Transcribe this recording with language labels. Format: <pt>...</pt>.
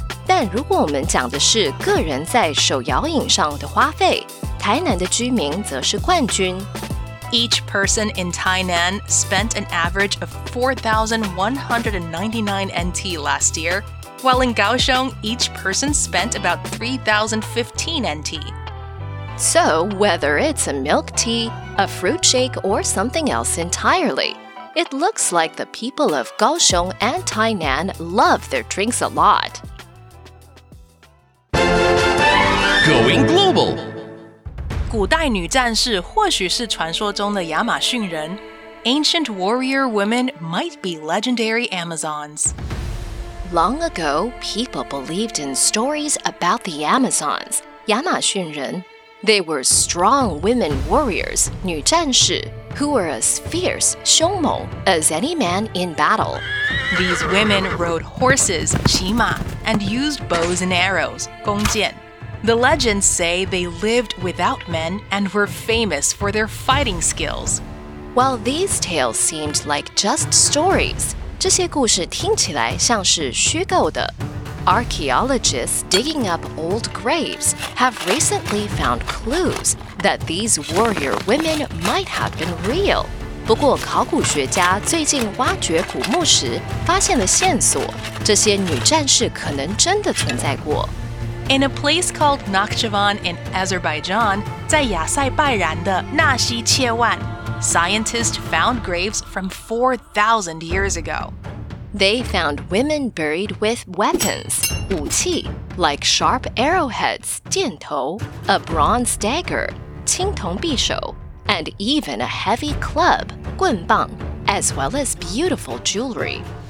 <zh>但如果我们讲的是个人在手摇饮上的花费，台南的居民则是冠军。</zh> <en>Each person in Tainan spent an average of 4,199 NT last year, while in Kaohsiung, each person spent about 3,015 NT. So, whether it's a milk tea, a fruit shake, or something else entirely, it looks like the people of Kaohsiung and Tainan love their drinks a lot. Going global!</en> <zh>古代女战士或许是传说中的亚马逊人。</zh> <en>Ancient warrior women might be legendary Amazons. Long ago, people believed in stories about the Amazons, 亚马逊人. They were strong women warriors, 女战士, who were as fierce, 凶猛, as any man in battle. These women rode horses, 骑马, and used bows and arrows, 弓箭. The legends say they lived without men and were famous for their fighting skills. While these tales seemed like just stories,</en> <zh>这些故事听起来像是虚构的.</zh> <en>Archaeologists digging up old graves have recently found clues that these warrior women might have been real.</en> <zh>不过考古学家最近挖掘古墓时发现了线索,这些女战士可能真的存在过。</zh> <en>In a place called Nakhchivan in Azerbaijan,</en> <zh>在亚塞拜然的纳西切万,</zh> <en>scientists found graves from 4,000 years ago. They found women buried with weapons, 武器, like sharp arrowheads, 箭头, a bronze dagger, 青铜匕首, and even a heavy club, 棍棒, as well as beautiful jewelry.</en>